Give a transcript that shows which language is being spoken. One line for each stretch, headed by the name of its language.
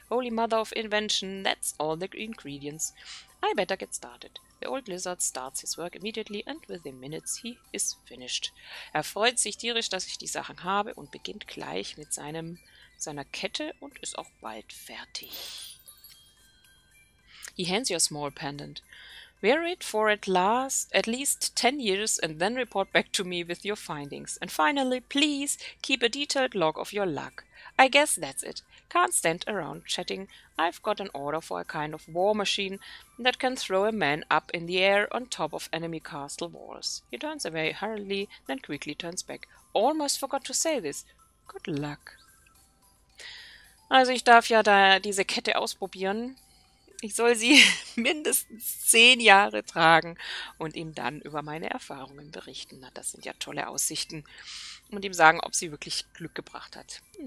English: Holy Mother of Invention, that's all the ingredients. I better get started. The old lizard starts his work immediately and within minutes he is finished.
German: Er freut sich tierisch, dass ich die Sachen habe und beginnt gleich mit seiner Kette und ist auch bald fertig.
English: He hands you a small pendant. Wear it for at least 10 years and then report back to me with your findings. And finally, please keep a detailed log of your luck. I guess that's it. Can't stand around chatting. I've got an order for a kind of war machine that can throw a man up in the air on top of enemy castle walls. He turns away hurriedly, then quickly turns back. Almost forgot to say this. Good luck.
German: Also ich darf ja da diese Kette ausprobieren. Ich soll sie mindestens 10 Jahre tragen und ihm dann über meine Erfahrungen berichten. Na, das sind ja tolle Aussichten. Und ihm sagen, ob sie wirklich Glück gebracht hat.